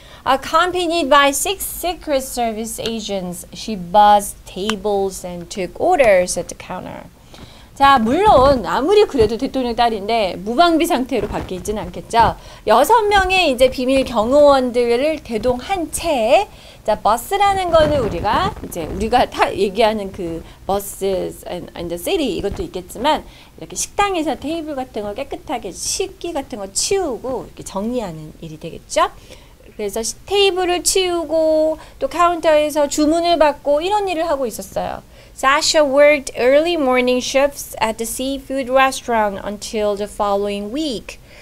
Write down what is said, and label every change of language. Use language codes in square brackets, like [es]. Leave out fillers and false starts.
[en] Accompanied by six Secret Service agents, she buzzed tables and took orders at the counter. [ko] 자, 물론 아무리 그래도 대통령 딸인데 무방비 상태로 밖에 있진 않겠죠. 여섯 명의 이제 비밀 경호원들을 대동한 채, 자, 버스라는 거는 우리가 다 얘기하는 그 [en] buses and the city [ko] 이것도 있겠지만 이렇게 식당에서 테이블 같은 거 깨끗하게 식기 같은 거 치우고 이렇게 정리하는 일이 되겠죠. 그래서 테이블을 치우고 또 카운터에서 주문을 받고 이런 일을 하고 있었어요. [en] Sasha worked early morning shifts at the seafood restaurant until the following week.